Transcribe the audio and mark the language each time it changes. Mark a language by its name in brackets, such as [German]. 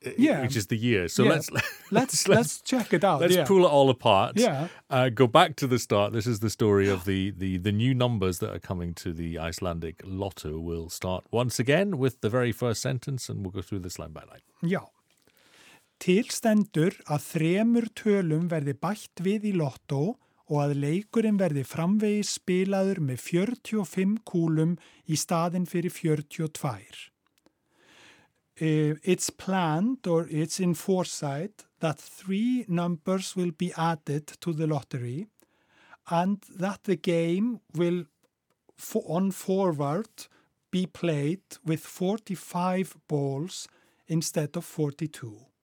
[English] Yeah. Which is the year. So yeah. let's check it out. Let's yeah. pull it all apart. Yeah. Go back to the start. This is the story of the new numbers that are coming to the Icelandic lotto. We'll start once again with the very first sentence and we'll go through this line by line. [Icelandic] Já. Til stendur að þremur tölum verði bætt við í lotto og að leikurinn verði framvegis spilaður með 45 kúlum í staðinn fyrir 42. [English] It's planned or it's in foresight that three numbers will be added to the lottery and that the game will on forward be played with 45 balls instead of 42.